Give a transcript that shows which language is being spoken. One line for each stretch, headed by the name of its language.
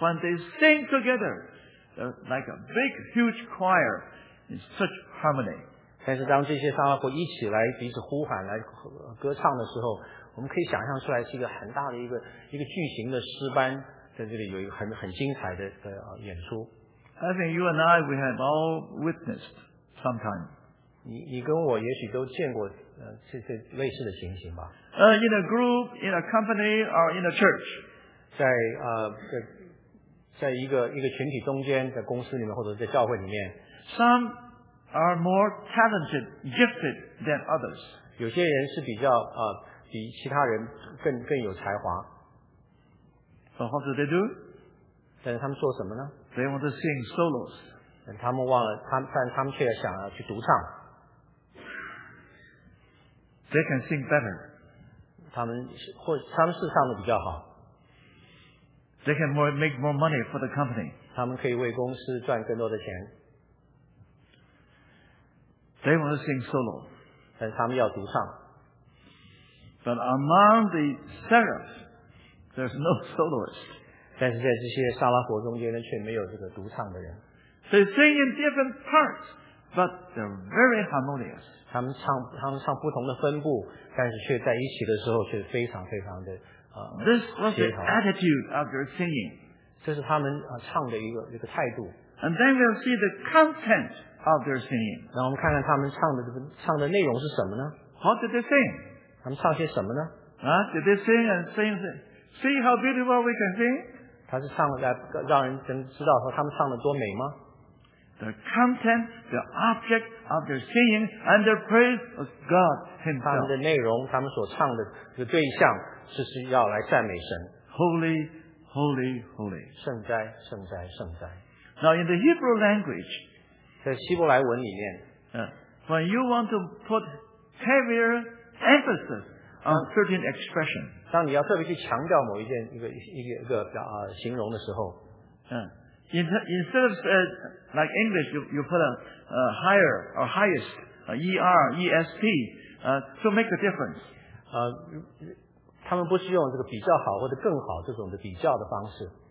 English: when they sing together, they're like a big, huge choir in such harmony.
Chinese: 但是当这些沙拉伯一起来彼此呼喊来歌唱的时候，我们可以想象出来是一个很大的一个巨型的诗班，在这里有一个很精彩的演出。
English: I think you and I, we have all witnessed sometime.
Chinese: 你跟我也许都见过这类似的情形吧。
English: In a group, in a company, or in a church.
Chinese: 在一个群体中间，在公司里面或者在教会里面。
English: Some are more talented, gifted than others.
Chinese: 有些人是比较比其他人更有才华。
English: So how do they do?
Chinese: 但是他们做什么呢？
English: They want to sing solos.
Chinese: 他们忘了他但他们却想要去独唱。
English: They can sing better.
Chinese: 他们是唱的比较好。
English: They can make more money for the company.
Chinese: 他们可以为公司赚更多的钱。
English: They want to sing solo.
Chinese: 但他们要独唱。
English: But among the seraphs, there's no soloist.
Chinese: 但是在这些沙拉伯中间却没有这个独唱的人。
English: They sing in different parts, but they're very harmonious.
Chinese: 他们唱不同的分部，但是却在一起的时候却非常非常的
English: This was the attitude of their singing.
Chinese: 这是他们唱的一个态度。
English: And then we'll see the content of their singing.
Chinese: 然后我们看看他们唱的内容是什么呢？
English: How did they sing?
Chinese: 他们唱些什么呢？
English: Did they sing and sing? See how beautiful we can sing?
Chinese: 他是唱了让人真知道说他们唱的多美吗？
English: The content, the object of their singing and their praise was God himself.
Chinese: 他们的内容，他们所唱的这个对象，就是要来赞美神。
English: Holy, holy, holy.
Chinese: 圣哉，圣哉，圣哉。
English: Now in the Hebrew language,
Chinese: 在希伯来文里面
English: ，when you want to put heavier emphasis on certain expression.
Chinese: 当你要特别去强调某一件一个表形容的时候。
English: Instead of like English, you put a higher or highest, ER, ESP, to make a difference.
Chinese: 他们不是用这个比较好或者更好这种的比较的方式。